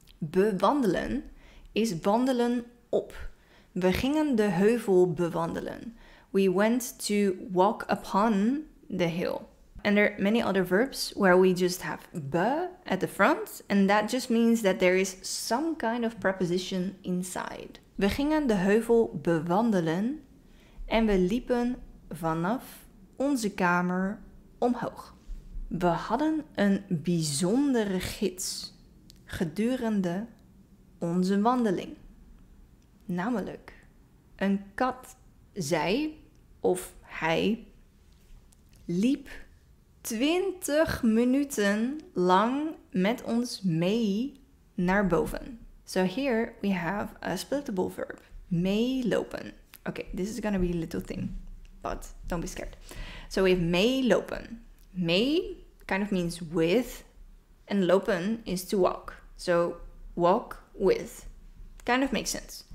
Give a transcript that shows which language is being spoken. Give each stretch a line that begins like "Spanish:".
Dutch: Bewandelen is wandelen op. We gingen de heuvel bewandelen.
English: We went to walk upon the hill. And there are many other verbs where we just have be at the front. And that just means that there is some kind of preposition inside.
Dutch: We gingen de heuvel bewandelen en we liepen vanaf onze kamer omhoog. We hadden een bijzondere gids gedurende onze wandeling. Namelijk, een kat, zij of hij, liep 20 minuten lang met ons mee naar boven.
English: So here we have a splitable verb, meelopen. Okay, this is gonna be a little thing, but don't be scared. So we have meelopen. Mee kind of means with, and lopen is to walk. So walk with, kind of makes sense.